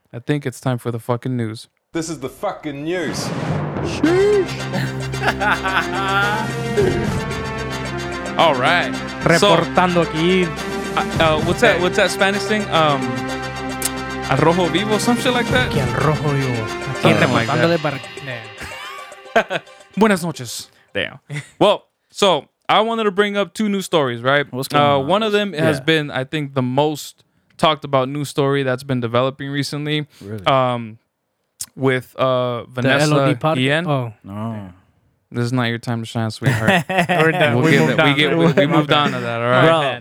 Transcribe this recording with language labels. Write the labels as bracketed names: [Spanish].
[English] I think it's time for the fucking news. This is the fucking news. All right. [Spanish] Reportando aquí. [English] What's that Spanish thing? Al rojo vivo, some shit like that. [Spanish] Que al rojo vivo. Aquí reportándole like para. Buenas noches. [English] Damn. Well, so I wanted to bring up two new stories, right? What's going on? One of them has been, I think, the most talked about news story that's been developing recently. Really. With Vanessa Guillen. Oh, this is not your time to shine, sweetheart. We moved on to that. All right,